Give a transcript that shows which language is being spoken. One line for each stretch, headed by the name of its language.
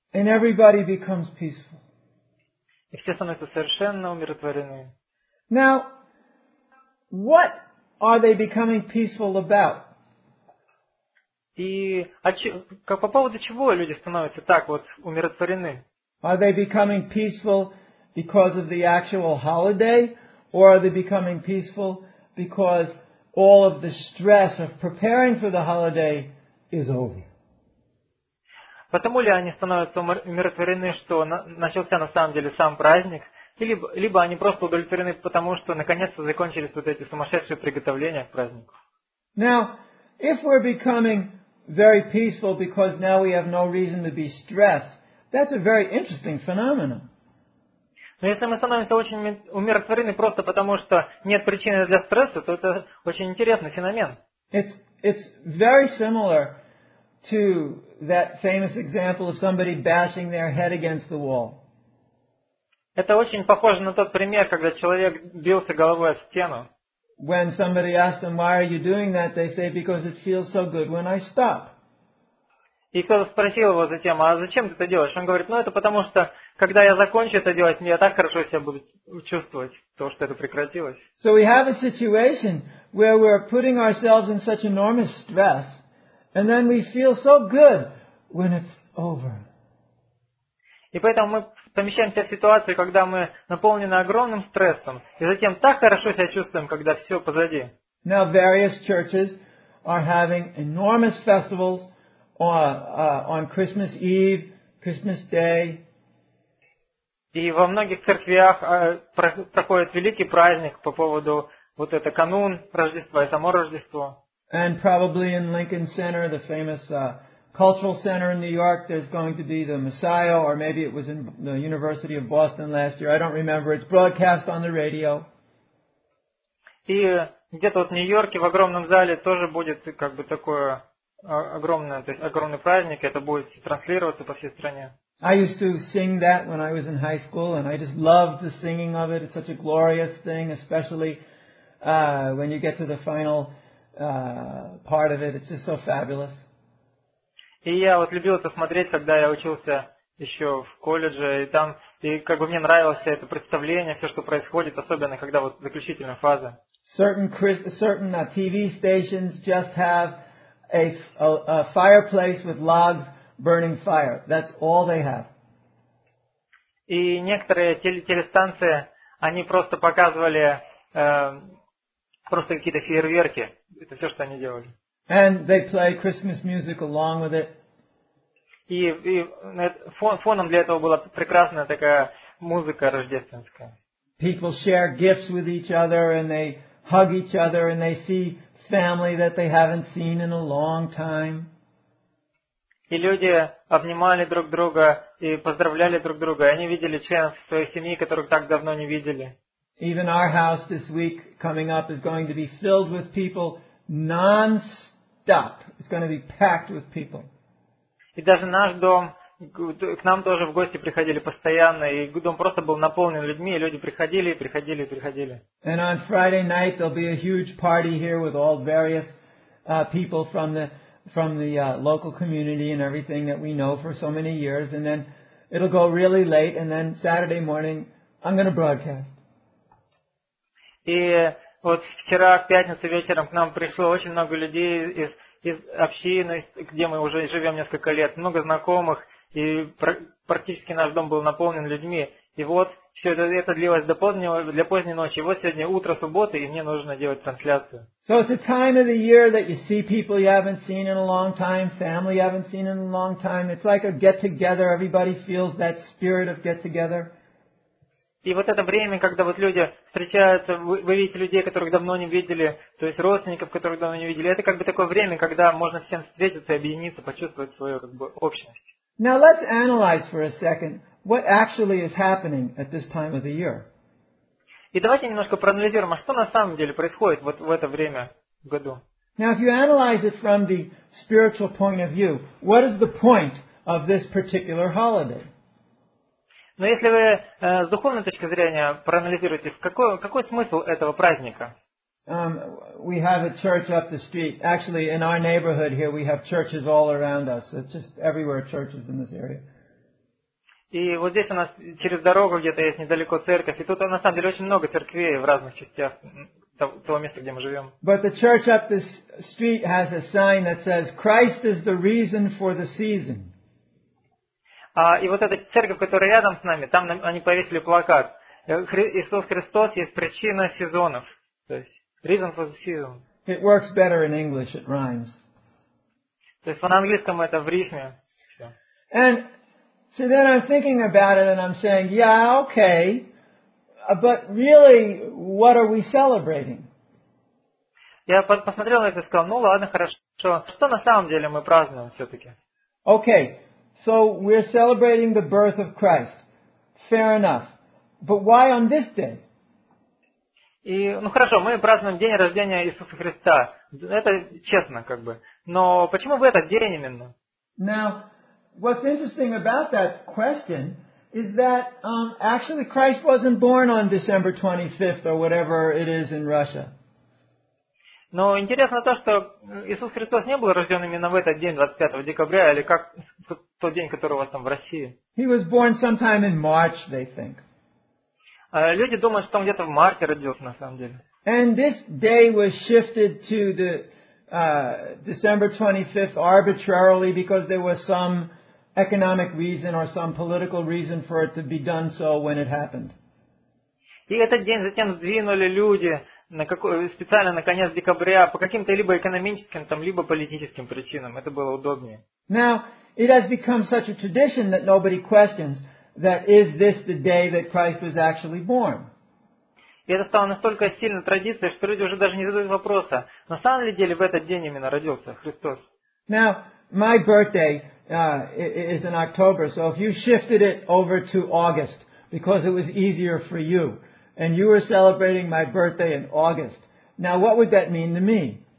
English: And everybody becomes peaceful.
Russian: И все становятся совершенно умиротворенными.
English: Now, what are they becoming peaceful about?
Russian: И по поводу чего люди становятся так вот умиротворены?
English: Are they becoming peaceful because of the actual holiday, or are they becoming peaceful because all of the stress of preparing for the holiday is over?
Russian: Потому ли они становятся умиротворены, что начался на самом деле сам праздник, либо они просто удовлетворены потому, что наконец-то закончились вот эти сумасшедшие приготовления к празднику.
English: Now, if we're becoming very peaceful because now we have no reason to be stressed, that's a very interesting phenomenon.
Russian: Но если мы становимся очень умиротворены просто потому, что нет причины для стресса, то это очень интересный феномен.
English: It's very similar to that famous example of somebody bashing their head against the wall.
Russian: Это очень похоже на тот пример, когда человек бился головой в стену.
English: When somebody asks them, why are you doing that, they say, because it feels so good when I stop.
Russian: И кто-то спросил его затем, а зачем ты это делаешь? Он говорит, ну это потому что, когда я закончу это делать, я так хорошо себя буду чувствовать, то, что это прекратилось.
English: So we have a situation where we're putting ourselves in such enormous stress, and then we feel so good when it's over.
Russian: И поэтому мы помещаемся в ситуацию, когда мы наполнены огромным стрессом, и затем так хорошо себя чувствуем, когда все позади.
English: Now various churches are having enormous festivals on Christmas Eve, Christmas Day.
Russian: И во многих церквях проходит великий праздник по поводу вот это канун Рождества и само Рождество.
English: And probably in Lincoln Center, the famous Cultural Center in New York, there's going to be the Messiah, or maybe it was in the University of Boston last year. I don't remember. It's broadcast on the radio.
Russian: И где-то вот в Нью-Йорке в огромном зале тоже будет как бы такое огромное, то есть огромный праздник. Это будет транслироваться по всей стране.
English: I used to sing that when I was in high school, and I just loved the singing of it. It's such a glorious thing, especially when you get to the final part of it. It's just so fabulous.
Russian: И я вот любил это смотреть, когда я учился еще в колледже, и там, и как бы мне нравилось это представление, все, что происходит, особенно когда вот заключительная фаза.
English: Certain TV stations just have a fireplace with logs burning fire. That's all they have.
Russian: И некоторые телестанции, они просто показывали просто какие-то фейерверки. Это все, что они делали.
English: And they play Christmas music along with it.
Russian: И фоном для этого была прекрасная такая музыка рождественская.
English: People share gifts with each other and they hug each other and they see family that they haven't seen in a long time.
Russian: И люди обнимали друг друга и поздравляли друг друга. И они видели членов своей семьи, которых так давно не видели.
English: Even our house this week coming up is going to be filled with people non-stop. It's going to be packed with people.
Russian: И даже наш дом, к нам тоже в гости приходили постоянно, и дом просто был наполнен людьми, и люди приходили, приходили, приходили.
English: And on Friday night there'll be a huge party here with all various people from the local community and everything that we know for so many years, and then it'll go really late, and then Saturday morning I'm going to broadcast.
Russian: И вот вчера, в пятницу вечером, к нам пришло очень много людей из общины, где мы уже живем несколько лет, много знакомых, и практически наш дом был наполнен людьми. И вот все это длилось для поздней ночи. Вот сегодня утро субботы, и мне нужно делать трансляцию.
English: So it's a time of the year that you see people you haven't seen in a long time, family you haven't seen in a long time. It's like a get-together. Everybody feels that spirit of get-together.
Russian: И вот это время, когда вот люди встречаются, вы видите людей, которых давно не видели, то есть родственников, которых давно не видели, это как бы такое время, когда можно всем встретиться, объединиться, почувствовать свою как бы общность.
English: Now let's analyze for a second what actually is happening at this time of the year.
Russian: И давайте немножко проанализируем, а что на самом деле происходит вот в это время в году.
English: Now if you analyze it from the spiritual point of view, what is the point of this particular holiday?
Russian: Но если вы с духовной точки зрения проанализируете, какой смысл этого праздника?
English: We have a church up the street. Actually, in our neighborhood here, we have churches all around us. It's just everywhere churches in this area.
Russian: И вот здесь у нас через дорогу где-то есть недалеко церковь. И тут на самом деле очень много церквей в разных частях того места, где мы живем.
English: But the church up the street has a sign that says, Christ is the reason for the season.
Russian: И вот эта церковь, которая рядом с нами, там они повесили плакат. Иисус Христос есть причина сезонов. То есть,
English: reason for the season. It works better in English, it rhymes.
Russian: То есть, на английском это в рифме. Все.
English: And so then I'm thinking about it and I'm saying, yeah, okay, but really, what are we celebrating?
Russian: Я посмотрел на это и сказал, ну ладно, хорошо. Что на самом деле мы празднуем все-таки?
English: Okay. So we're celebrating the birth of Christ. Fair enough. But why on this day?
Russian: И, ну хорошо, мы празднуем день рождения Иисуса Христа. Это честно, как бы. Но почему в этот день именно?
English: Now, what's interesting about that question is that actually Christ wasn't born on December 25th or whatever it is in Russia.
Russian: Но интересно то, что Иисус Христос не был рожден именно в этот день, 25 декабря, или как тот день, который у вас там в России.
English: He was born sometime in March, they think.
Russian: Люди думают, что он где-то в марте родился, на самом деле.
English: And this day was shifted to the December 25th arbitrarily because there was some economic reason or some political reason for it to be done so when it happened.
Russian: И этот день затем сдвинули люди на специально на конец декабря по каким-то либо экономическим, там, либо политическим причинам. Это было удобнее.
English: Now, it has become such a tradition that nobody questions that is this the day that Christ was actually born.
Russian: И это стало настолько сильной традицией, что люди уже даже не задают вопроса, на самом ли деле в этот день именно родился Христос.
English: Now, my birthday is in October, so if you shifted it over to August, because it was easier for you, and you were celebrating my birthday in August, now what would that mean to me?